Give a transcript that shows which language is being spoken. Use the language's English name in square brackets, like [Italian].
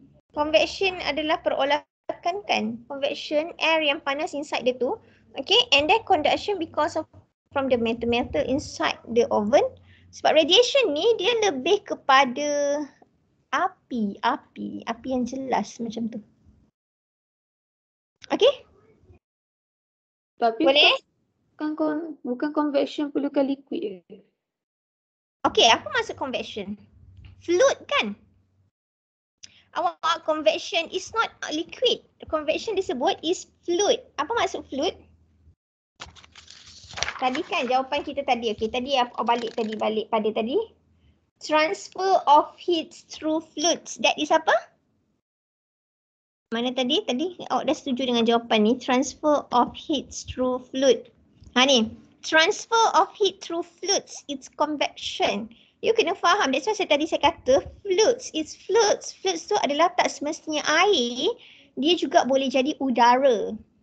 [Malay] Convection adalah perolakan kan? Convection air yang panas inside dia tu. [English] Okay, and then conduction because of from the metal inside the oven. [Malay] Sebab radiation ni dia lebih kepada api yang jelas macam tu. [English] Okay? [Malay] Tapi boleh? Bukan convection perlukan liquid ke? Okay, apa maksud convection? Fluid kan? Awak [English] convection is not liquid. [Malay] Convection disebut [English] is fluid. [Malay] Apa maksud fluid? Tadi kan jawapan kita tadi, okay, tadi apa balik pada tadi. [English] Transfer of heat through fluids, that is [Malay] apa? Mana tadi? Tadi awak dah setuju dengan jawapan ni, [English] transfer of heat through fluid. [Malay] Ha ni, [English] transfer of heat through fluids, it's convection. You [Malay] kena [English] faham, that's why [Malay] saya kata [English] fluids, it's fluids. [Malay] Fluids tu adalah tak semestinya air, dia juga boleh jadi udara.